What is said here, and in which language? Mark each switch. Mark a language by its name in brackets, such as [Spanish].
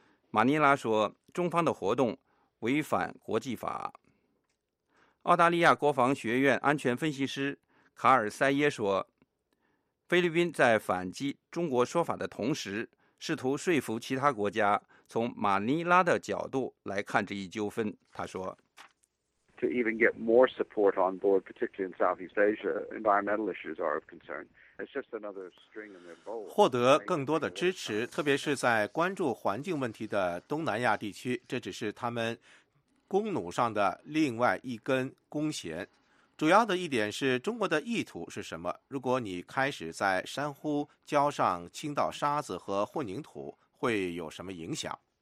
[Chinese] 马尼拉说中方的活动违反国际法。澳大利亚国防学院安全分析师卡尔塞耶说，菲律宾在反击中国说法的同时，试图说服其他国家从马尼拉的角度来看这一纠纷。他说 [English] To even get more support on board, particularly in Southeast Asia, environmental issues are of concern. It's just another string in their bow. [Chinese] 获得更多的支持，特别是在关注环境问题的东南亚地区，这只是他们弓弩上的另外一根弓弦。主要的一点是中国的意图是什么？如果你开始在珊瑚礁上倾倒沙子和混凝土，会有什么影响？